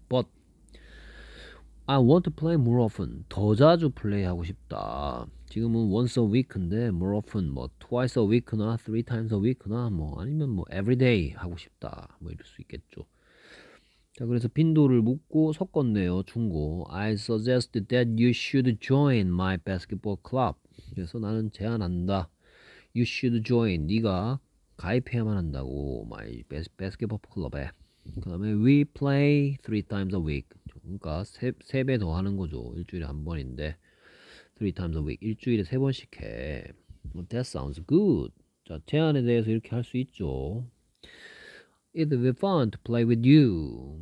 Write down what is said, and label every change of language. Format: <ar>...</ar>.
<en>But I want to play more often,</en> <ko>더 자주 플레이하고 싶다. 지금은</ko> <en>once a week</en> <ko>인데</ko> <en>more often,</en> <ko>뭐</ko> <en>twice a week</en> <ko>나</ko> <en>three times a week</en> <ko>나 뭐 아니면 뭐 every day 하고 싶다, 뭐 이럴 수 있겠죠. 자, 그래서 빈도를 묻고 섞었네요. 충고.</ko> <en>I suggest that you should join my basketball club.</en> <ko>그래서 나는 제안한다.</ko> <en>You should join.</en> <ko>네가 가입해야만 한다고.</ko> <en>My basketball club에.</en> <ko>그다음에</ko> <en>we play three times a week.</en> <ko>그러니까 세배더 하는 거죠. 일주일에 한 번인데</ko> <en>three times a week.</en> <ko>일주일에 세 번씩 해.</ko> <en>That sounds good.</en> <ko>자, 제안에 대해서 이렇게 할수 있죠.</ko> <en>It will be fun to play with you.</en>